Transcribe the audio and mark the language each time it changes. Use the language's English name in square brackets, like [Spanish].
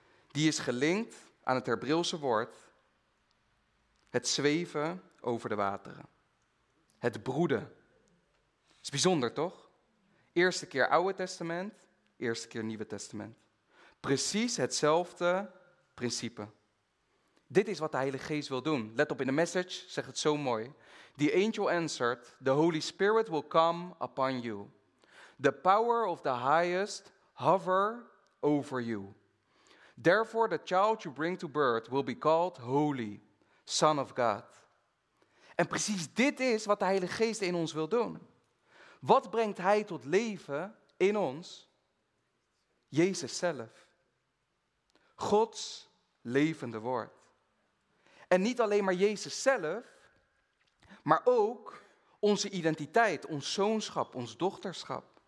[Dutch] Die is gelinkt aan het Hebreeuwse woord, het zweven over de wateren. Het broeden. Is bijzonder, toch? Eerste keer Oude Testament, eerste keer Nieuwe Testament. Precies hetzelfde principe. Dit is wat de Heilige Geest wil doen. Let op in de message, zegt het zo mooi. [English] The angel answered, the Holy Spirit will come upon you. The power of the highest hover over you. Therefore the child you bring to birth will be called holy, son of God. [Dutch] En precies dit is wat de Heilige Geest in ons wil doen. Wat brengt Hij tot leven in ons? Jezus zelf. Gods levende woord. En niet alleen maar Jezus zelf, maar ook onze identiteit, ons zoonschap, ons dochterschap.